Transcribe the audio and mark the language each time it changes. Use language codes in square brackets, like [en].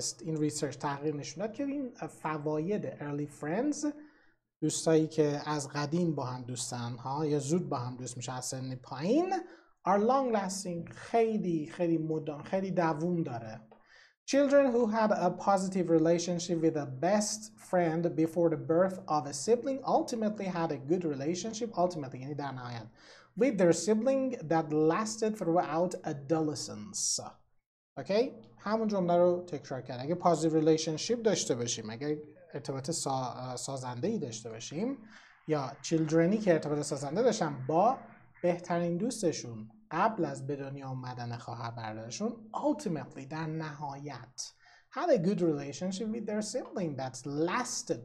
[fa] این ریسرچ تحقیق نشون داد که این فواید early friends، دوستایی که از قدیم با هم دوستن ها یا زود با هم دوست میشه از سن پایین، [en] are long-lasting، [fa] خیلی خیلی مدام، خیلی دووم داره. [en] Children who had a positive relationship with a best friend before the birth of a sibling ultimately had a good relationship [fa] یعنی در نهایت [en] with their sibling that lasted throughout adolescence. [fa] Okay؟ همون جمله رو تکرار کرد. اگه positive relationship داشته باشیم، اگه ارتباط سازنده‌ای داشته باشیم، یا چیلدرنی که ارتباط سازنده داشتن با بهترین دوستشون قبل از به دنیا آمدن خواهر برادرشون، ultimately در نهایت [en] had a good relationship with their sibling that lasted.